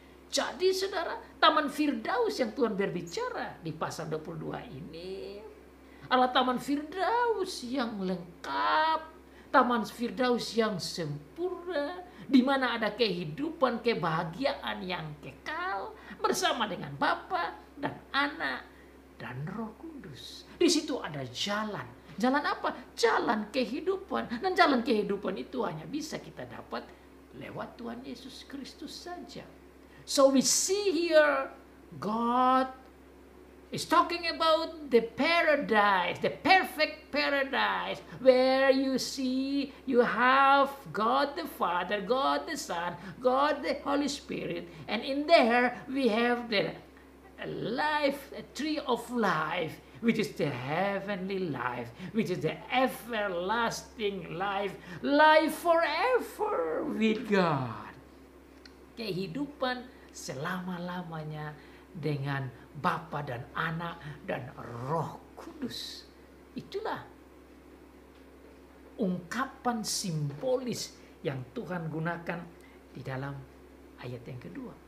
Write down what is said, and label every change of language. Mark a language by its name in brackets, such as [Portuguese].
[Indonesian] Jadi saudara, Taman Firdaus yang Tuhan berbicara di pasal 22 ini adalah Taman Firdaus yang lengkap, Taman Firdaus yang sempurna, di mana ada kehidupan kebahagiaan yang kekal bersama dengan Bapa dan Anak dan Roh Kudus. Di situ ada jalan. Jalan apa? Jalan kehidupan. Dan jalan kehidupan itu hanya bisa kita dapat lewat Tuhan Yesus Kristus saja. [English] So we see here God is talking about the paradise, the perfect paradise, where you see you have God the Father, God the Son, God the Holy Spirit, and in there we have the life, the tree of life, which is the heavenly life, which is the everlasting life, life forever with God. [Indonesian] Kehidupan selama-lamanya dengan Bapa dan Anak dan Roh Kudus. Itulah ungkapan simbolis yang Tuhan gunakan di dalam ayat yang kedua.